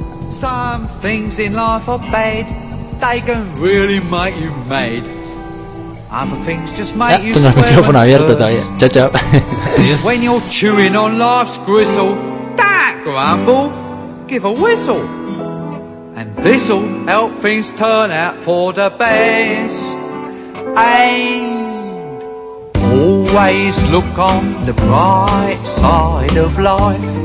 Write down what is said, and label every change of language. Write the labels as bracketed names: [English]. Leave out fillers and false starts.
[English] Some things in life are bad. They can really make you mad. [Spanish] Tengo el micrófono abierto todavía. Chao, chao. [English] When you're chewing on life's gristle, don't grumble, give a whistle, and this'll help things turn out for the best. And always look on the bright side of life.